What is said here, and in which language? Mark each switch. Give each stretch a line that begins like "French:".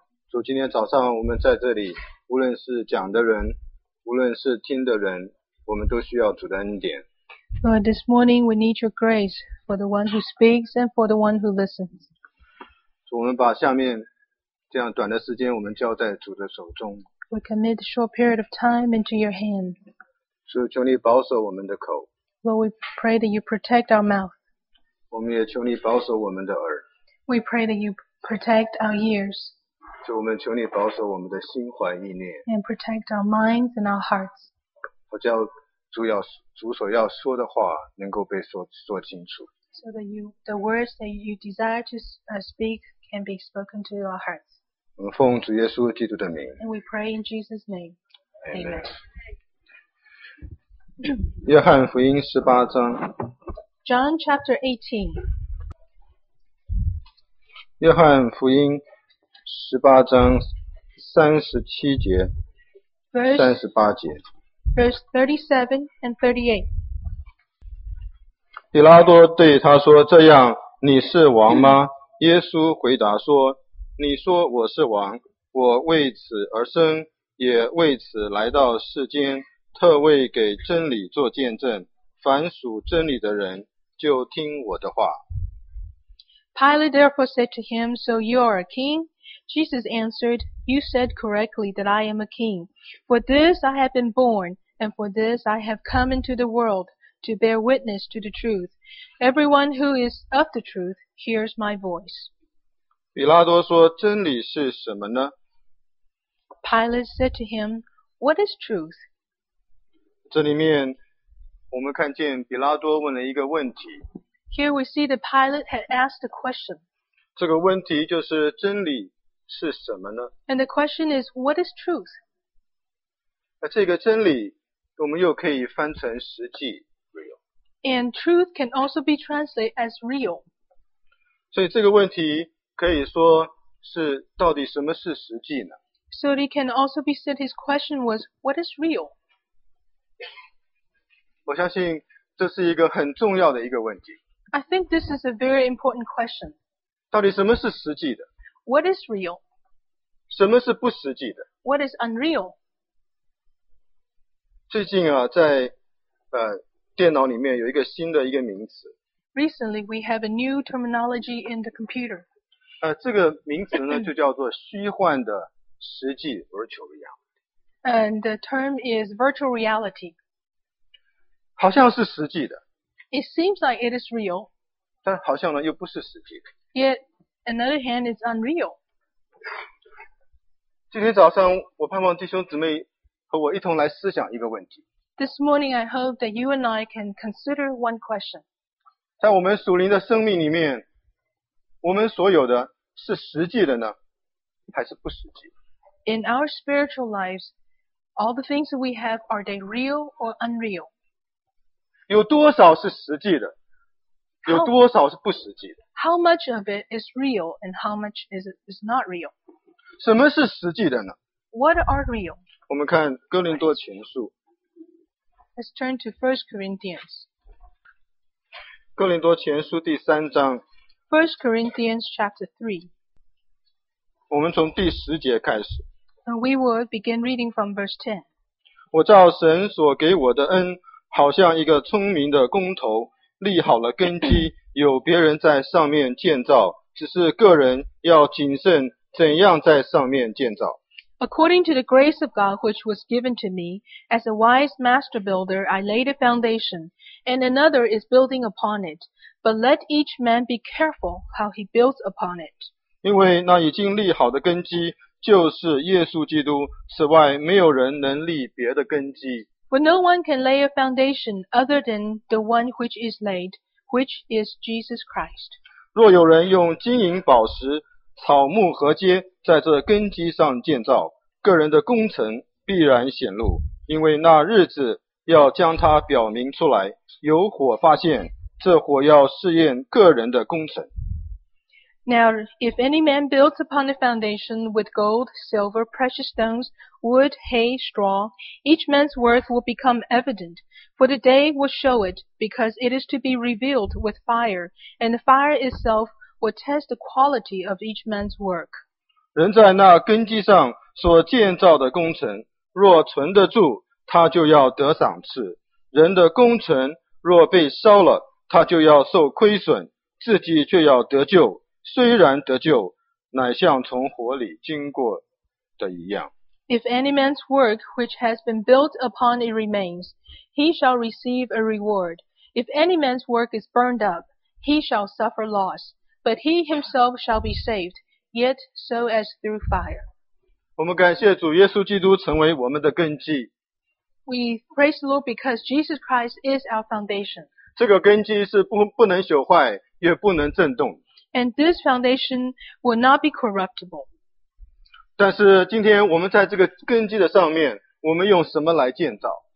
Chinese: 主，今天早上我们在这里，无论是讲的人，无论是听的人，我们都需要主的恩典。
English: Lord, this morning we need your grace for the one who speaks and for the one who listens.
Chinese: 主，我们把下面这样短的时间，我们交在主的手中。
English: We commit a short period of time into your hand.
Chinese: 主，求你保守我们的口。
English: Lord, we pray that you protect our mouth.
Chinese: 我们也求你保守我们的耳。
English: We pray that you protect our ears.
Chinese: 主，我们求你保守我们的心怀意念。
English: And protect our minds and our hearts.
Chinese: 我叫主所要说的话能够被说清楚。
English: So that the words that you desire to speak can be spoken to our hearts.
Chinese: 我们奉主耶稣基督的名。
English: And we pray in Jesus' name. Amen.
Chinese: 约翰福音十八章。
English: John chapter 18.
Chinese: 约翰福音十八章三十七节三十八节
English: Verse 37 and 38
Chinese: 比拉多对他说这样你是王吗耶稣回答说你说我是王我为此而生也为此来到世间特为给真理做见证凡属真理的人就听我的话
English: Pilate therefore said to him, So you are a king? Jesus answered, You said correctly that I am a king. For this I have been born, and for this I have come into the world, to bear witness to the truth. Everyone who is of the truth hears my voice.
Chinese: 比拉多说真理是什么呢?
English: Pilate said to him, What is truth?
Chinese: 这里面我们看见比拉多问了一个问题。
English: Here we see that Pilate had asked a question.
Chinese: 这个问题就是真理是什么呢?
English: And the question is, what is truth?
Chinese: 这个真理我们又可以翻成实际 real.
English: And truth can also be translated as real.
Chinese: 所以这个问题可以说是到底什么是实际呢?
English: So it can also be said his question was, what is real?
Chinese: 我相信这是一个很重要的一个问题。
English: I think this is a very important question.
Chinese: 到底什么是实际的?
English: What is real?
Chinese: 什么是不实际的?
English: What is unreal?
Chinese: 最近啊，在电脑里面有一个新的一个名词。
English: Recently, we have a new terminology in the computer.
Chinese: 这个名词呢，就叫做虚幻的实际 virtual reality.
English: And the term is virtual reality.
Chinese: 好像是实际的。
English: It seems like it is real.
Chinese: 但好像呢又不是实际的。
English: Yet, another hand is unreal.
Chinese: 今天早上我盼望弟兄姊妹和我一同来思想一个问题。
English: This morning, I hope that you and I can consider one question.
Chinese: 在我们属灵的生命里面我们所有的是实际的呢还是不实际的
English: In our spiritual lives, all the things that we have, are they real or unreal?
Chinese: 有多少是实际的有多少是不实际的
English: How much of it is real and how much is not real?
Chinese: 什么是实际的呢
English: What are real?
Chinese: 我们看哥林多前书
English: Let's turn to 1 Corinthians
Chinese: 哥林多前书第三章
English: 1 Corinthians chapter 3
Chinese: 我们从第十节开始
English: We will begin reading from verse 10
Chinese: 我照神所给我的恩好像一个聪明的工头立好了根基有别人在上面建造只是个人要谨慎怎样在上面建造
English: According to the grace of God which was given to me as a wise master builder I laid a foundation and another is building upon it but let each man be careful how he builds upon it
Chinese: 因为那已经立好的根基就是耶稣基督此外没有人能立别的根基
English: For no one can lay a foundation other than the one which is laid, which is Jesus Christ.
Chinese: 若有人用金银宝石、草木禾秸在这根基上建造，个人的工程必然显露，因为那日子要将它表明出来，有火发现，这火要试验个人的工程。
English: Now, if any man builds upon the foundation with gold, silver, precious stones, wood, hay, straw, each man's worth will become evident, for the day will show it, because it is to be revealed with fire, and the fire itself will test the quality of each man's work.
Chinese: 人在那根基上所建造的工程，若存得住，他就要得赏赐。人的工程若被烧了，他就要受亏损，自己却要得救。虽然得救，乃像从火里经过的一样。
English: If any man's work which has been built upon it remains, he shall receive a reward. If any man's work is burned up, he shall suffer loss. But he himself shall be saved, yet so as through fire.
Chinese: 我们感谢主耶稣基督成为我们的根基。
English: We praise the Lord because Jesus Christ is our foundation.
Chinese: 这个根基是 不能朽坏，也不能震动。
English: And this foundation will not be corruptible.
Chinese: 但是今天我们在这个根基的上面，我们用什么来建造？